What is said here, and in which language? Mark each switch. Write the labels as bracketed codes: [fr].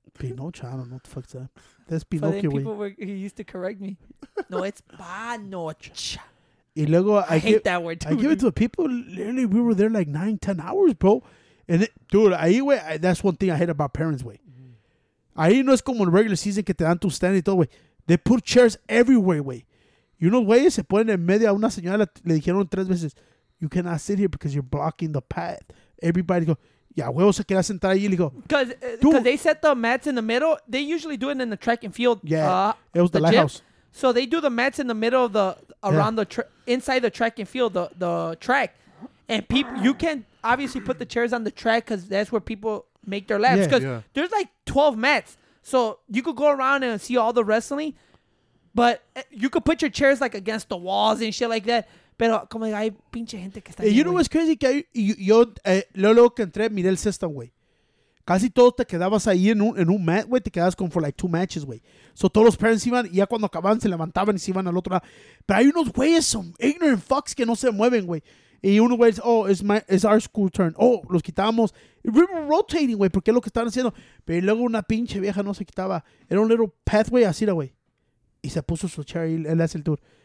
[en] Pinocha, I don't know what the fuck's that. That's Pinocchio, güey. He used to correct me. No, it's Panocha. [es] Y luego, [en] I hate that word, too. I give it to the people, literally, we were there like 9-10 hours, bro. And it, dude, [es] ahí, güey, [en] that's one thing I hate about parents, güey. Mm-hmm. [es] Ahí no es como en regular season que te dan tu stand y todo, güey. [en] They put chairs everywhere, güey. You know, güey, [es] se ponen en medio a una señora, le dijeron tres veces, [en] you cannot sit here because you're blocking the path. Everybody go, yeah, [es] güey, se queda sentada allí. Le digo, [en] because they set the mats in the middle. They usually do it in the track and field. Yeah, it was the lighthouse. Gym. So they do the mats in the middle of the, around yeah. inside the track and field, the track. And people, you can obviously put the chairs on the track because that's where people make their laps. Because there's like 12 mats. So you could go around and see all the wrestling, but you could put your chairs like against the walls and shit like that. [es] Pero como digo, hay pinche gente que está. [en] You know what's crazy? [es] Que yo luego que entré, miré el sexto, güey. Casi todos te quedabas ahí en un mat, güey. Te quedabas con [en] for like 2 matches, [es] güey. So todos los parents iban y ya cuando acababan se levantaban y se iban al otro lado. Pero hay unos güeyes, [en] some ignorant fucks [es] que no se mueven, güey. Y uno, güey, dice, [en] oh, it's our school turn. [es] Oh, los quitábamos. [en] We were rotating, [es] güey, porque es lo que estaban haciendo. Pero luego una pinche vieja no se quitaba. Era un [en] little pathway [es] así, güey. Y se puso su chair y le hace el tour.